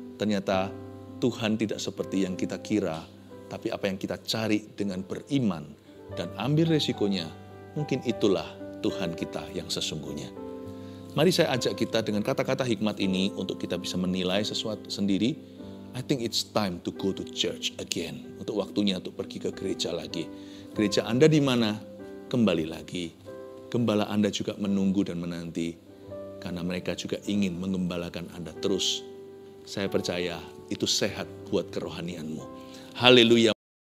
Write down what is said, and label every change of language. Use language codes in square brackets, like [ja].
[id] Ternyata Tuhan tidak seperti yang kita kira, tapi apa yang kita cari dengan beriman dan ambil resikonya, mungkin itulah Tuhan kita yang sesungguhnya. Mari saya ajak kita dengan kata-kata hikmat ini untuk kita bisa menilai sesuatu sendiri. [en] I think it's time to go to church again. [id] Untuk waktunya untuk pergi ke gereja lagi. Gereja Anda di mana? Kembali lagi. Gembala Anda juga menunggu dan menanti, karena mereka juga ingin menggembalakan Anda terus. Saya percaya itu sehat buat kerohanianmu. Haleluya,